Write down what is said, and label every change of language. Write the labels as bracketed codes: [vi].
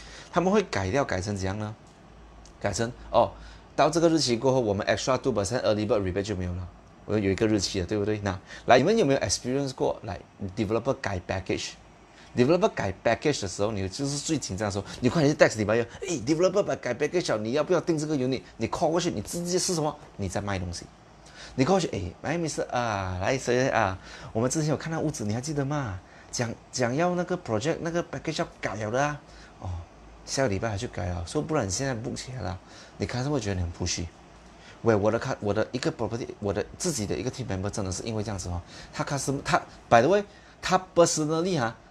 [zh] 他们会改掉，改成怎样呢？改成哦，到这个日期过后，我们 extra 2% early bird rebate 就没有了。我有一个日期的，对不对？那来，你们有没有 experience 过来 developer 改 package？ Developer 改 package 的时候，你就是最紧张的时候。你快点去 text 里面，哎，Developer 把改 package 了，你要不要订这个 unit？你 call 过去，你直接是什么？你在卖东西。你 call 过去，哎， [en] My name is [zh] 来谁啊？我们之前有看到屋子，你还记得吗？讲要那个 project 那个 package 要改了的啊。哦，下个礼拜还去改了，说不然你现在 book 起来了。你看是不是觉得你很 pushy？喂，我的一个 property，我的自己的一个 team member 真的是因为这样子哦，他 by the way，他 personally 啊。